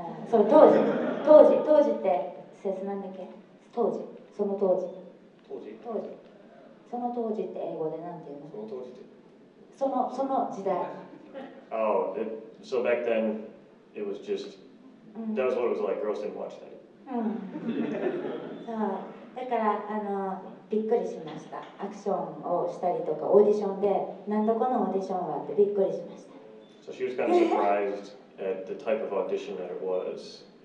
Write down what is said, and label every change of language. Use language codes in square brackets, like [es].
[ja] So 当時って説なんだっけ？当時、その当時。当時。その当時って英語でなんて言うの？その当時って。その時代。 [en] Oh, it, so back then it was just that was what it was like. Girls didn't watch that. [ja] うん。そう。だからびっくりしました。アクションをしたりとかオーディションで何度このオーディションはってびっくりしました。 [en] So she was kind of surprised at the type of audition that it was.